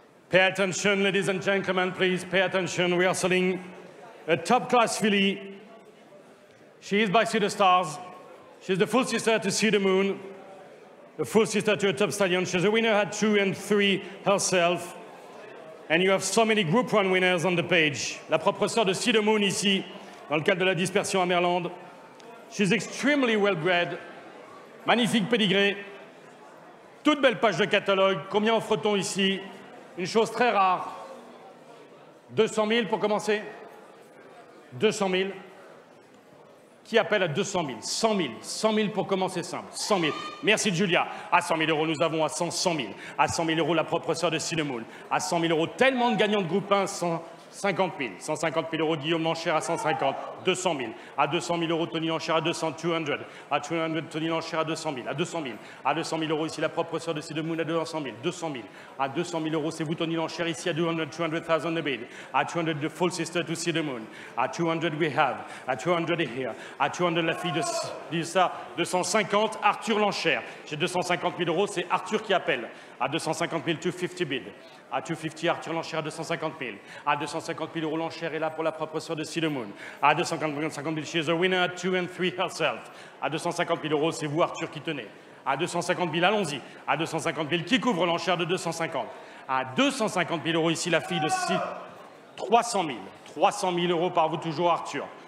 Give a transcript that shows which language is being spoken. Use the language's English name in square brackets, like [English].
[English] Pay attention, ladies and gentlemen, please pay attention. We are selling a top-class filly. She is by Cedar Stars. She's the full sister to See the Moon, the full sister to a top stallion. She's a winner at 2 and 3 herself. And you have so many Group 1 winners on the page. [French] La propre sœur de See the Moon ici, dans le cadre de la dispersion à Merland. [English] She's extremely well-bred. [French] Magnifique pedigree. Toute belle page de catalogue. Combien offre-t-on ici? Une chose très rare. 200 000 pour commencer. 200 000. Qui appelle à 200 000? 100 000. 100 000 pour commencer simple. 100 000. Merci Julia. À 100 000 euros, nous avons à 100, 100 000. À 100 000 euros, la propre sœur de See the Moon. À 100 000 euros, tellement de gagnants de groupe 1, 150 000. 150 000 euros, Guillaume Lanchère à 150. 200 000. À 200 000 euros, Tony Lanchère à 200. 200. À 200, Tony Lanchère à 200 000. À 200 000. À 200 000 euros, ici, la propre sœur de See the Moon à 200 000. 200 000. À 200 000 euros, c'est vous, Tony Lanchère, ici, à 200,000 [English] the bid. À 200, the full sister to See the Moon. [French] À 200, [English] we have. [French] À 200, here. À 200, la fille de ça. 250, Arthur Lanchère. J'ai 250 000 euros, c'est Arthur qui appelle. À 250 000, 250 bid. À 250, Arthur Lanchère à 250 000. À 250 000 euros, Lanchère est là pour la propre sœur de See the Moon. À 250 000, [English] she is a winner at 2 and 3 herself. [French] À 250 000 euros, c'est vous, Arthur, qui tenez. À 250 000, allons-y. À 250 000, qui couvre l'enchère de 250? À 250 000 euros, ici, la fille de 300 000. 300 000 euros par vous, toujours, Arthur.